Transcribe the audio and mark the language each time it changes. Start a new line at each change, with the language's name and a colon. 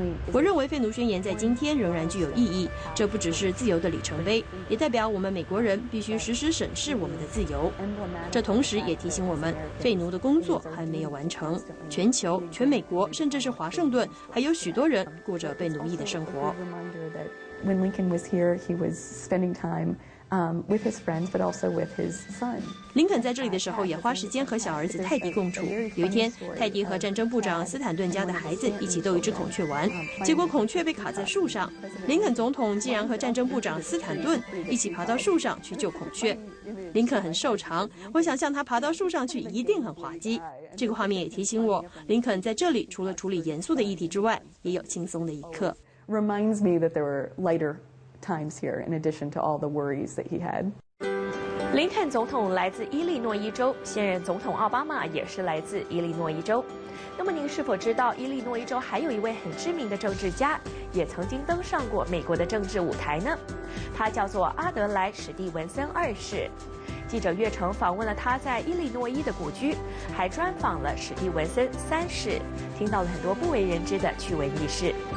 Chinese: 我认为废奴宣言在今天仍然具有意义，这不只是自由的里程碑，也代表我们美国人必须时时审视我们的自由。这同时也提醒我们，废奴的工作还没有完成，全球、全美国，甚至是华盛顿，还有许多人过着被奴役的生活。
English: When Lincoln was here, he was spending time with his friends, but also with his son.
Chinese: 林肯在这里的时候也花时间和小儿子泰迪共处。有一天，泰迪和战争部长斯坦顿家的孩子一起逗一只孔雀玩，结果孔雀被卡在树上。林肯总统竟然和战争部长斯坦顿一起爬到树上去救孔雀。林肯很瘦长，我想像他爬到树上去一定很滑稽。这个画面也提醒我，林肯在这里除了处理严肃的议题之外，也有轻松的一刻。
English: Reminds me that there were lighter times here in addition to all the worries that he had.
Chinese: 林肯总统来自伊利诺伊州，现任总统奥巴马也是来自伊利诺伊州。那么您是否知道伊利诺伊州还有一位很知名的政治家，也曾经登上过美国的政治舞台呢？他叫做阿德莱·史蒂文森二世。记者月城访问了他在伊利诺伊的故居，还专访了史蒂文森三世，听到了很多不为人知的趣闻轶事。